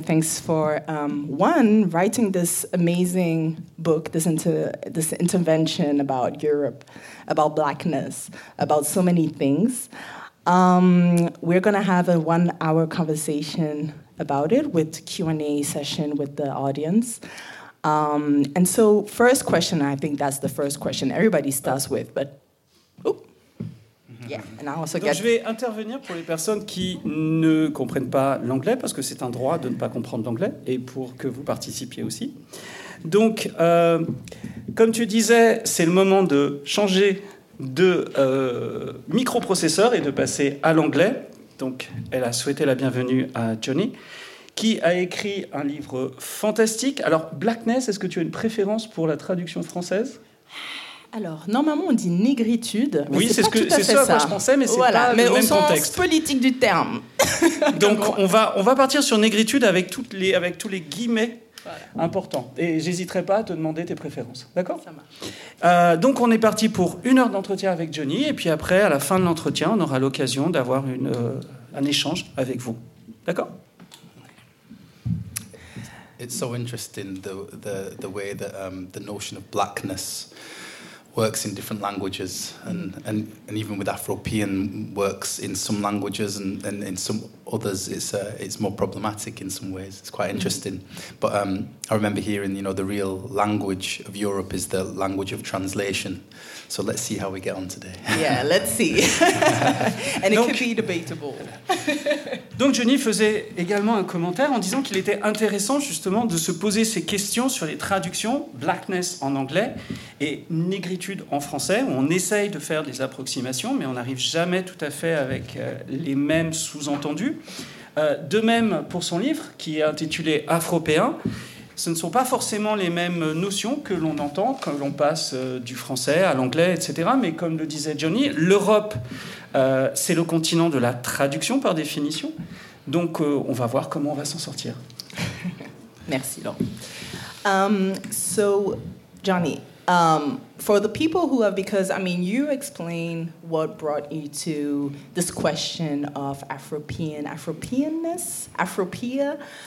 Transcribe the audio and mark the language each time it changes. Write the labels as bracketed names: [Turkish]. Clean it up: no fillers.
[English] Thanks for, one, writing this amazing book, this intervention about Europe, about blackness, about so many things. We're going to have a one-hour conversation about it with Q&A session with the audience. And so first question, I think that's the first question everybody starts with, but [French] Donc je vais intervenir pour les personnes qui ne comprennent pas l'anglais, parce que c'est un droit de ne pas comprendre l'anglais, et pour que vous participiez aussi. Donc, comme tu disais, c'est le moment de changer de microprocesseur et de passer à l'anglais. Donc, elle a souhaité la bienvenue à Johnny, qui a écrit un livre fantastique. Alors, Blackness, est-ce que tu as une préférence pour la traduction française ? Alors, normalement, on dit négritude. Mais oui, c'est ça. Moi, je pensais, mais c'est voilà, pas mais le même contexte. Au sens politique du terme. Donc, on va partir sur négritude avec tous les guillemets voilà. Importants. Et j'hésiterai pas à te demander tes préférences. D'accord ? Ça marche. Donc, on est parti pour une heure d'entretien avec Johnny. Et puis après, à la fin de l'entretien, on aura l'occasion d'avoir un échange avec vous. D'accord ? [English] It's so interesting the way that the notion of blackness works in different languages and even with Afropean works in some languages and in some others it's more problematic in some ways. It's quite interesting. But I remember hearing, you know, the real language of Europe is the language of translation. So let's see how we get on today. Yeah, let's see. And it could be debatable. [French] Donc Johnny faisait également un commentaire en disant qu'il était intéressant justement de se poser ces questions sur les traductions blackness en anglais et négritude en français, où on essaye de faire des approximations, mais on n'arrive jamais tout à fait avec les mêmes sous-entendus. De même pour son livre, qui est intitulé « Afropéen », ce ne sont pas forcément les mêmes notions que l'on entend quand l'on passe du français à l'anglais, etc. Mais comme le disait Johnny, l'Europe, c'est le continent de la traduction par définition. Donc on va voir comment on va s'en sortir. Merci, Laurent. [English] So, Johnny, for the people who have, because, I mean, you explain what brought you to this question of Afropeanness, Afropia.